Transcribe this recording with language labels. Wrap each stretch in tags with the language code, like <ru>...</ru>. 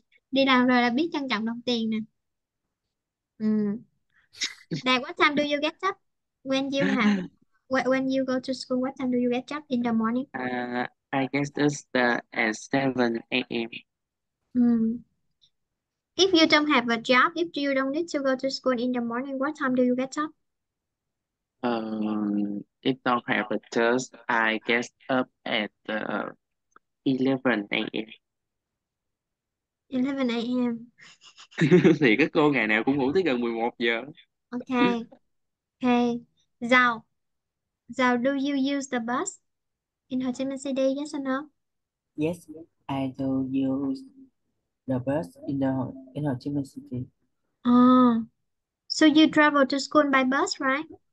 <vi>Đi làm rồi là biết trân trọng đồng tiền nè.</vi> <en>Now, what time do you get up? When you go to school, what time do you get up in the morning? I guess it's the at 7 a.m. If you don't have a job, if you don't need to go to school in the morning, what time do you get up? If don't have a test, I get up at 11 a.m.</en> <vi>Thì cái cô ngày nào cũng ngủ tới gần 11 giờ.</vi> <en>Ok. Dạo. Dạo, do you use the bus in Ho Chi Minh City? Yes or no? Yes, I do use the bus in Ho Chi Minh So you travel to school by bus, right?</en>